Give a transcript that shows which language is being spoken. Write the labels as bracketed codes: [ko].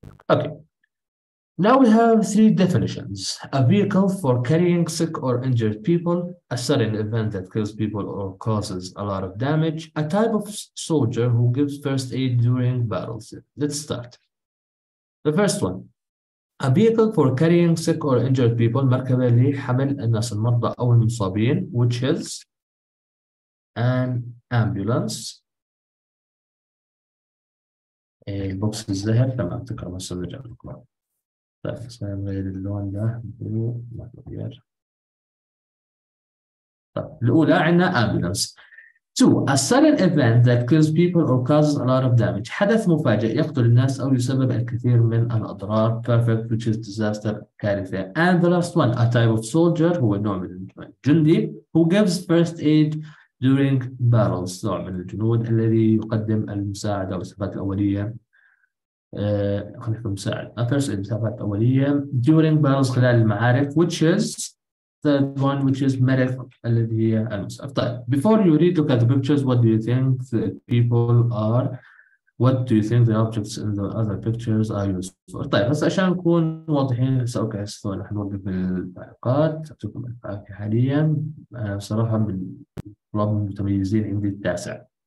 [en] okay now we have three definitions: a vehicle for carrying sick or injured people, a sudden event that kills people or causes a lot of damage, a type of soldier who gives first aid during battles. Let's start the first one. A vehicle for carrying sick or injured people. [ar] مركبة لحمل الناس المرضى أو المصابين. [en] Which is an ambulance. [ar] البوكس الزهر. تمام، تكرر بس نرجع للكرة. طيب خلينا نغير اللون ده. بلو ما تغير. طيب الأولى عندنا ambulance. [en] Two, a sudden event that kills people or causes a lot of damage. [ar] حدث مفاجئ يقتل الناس أو يسبب الكثير من الأضرار. [en] Perfect, which is disaster, كارثة. And the last one, a type of soldier, هو نوع من الجندي, who gives first aid during battles. [ar] نوع من الجنود الذي يقدم المساعدة والإسعافات الأولية. خلينا نقول مساعد. First aid, الإسعافات الأولية during battles, خلال المعارك. [en] Which is third one, which is medic, الذي هي المسعف. طيب before you read, look at the pictures. What do you think the people are? What do you think the objects in the other pictures are used for? [ar] طيب بس عشان نكون واضحين، اوكي سوري، راح نوقف التعليقات. اعطيكم العافيه حاليا. انا بصراحه من الطلاب المتميزين عندي التاسع.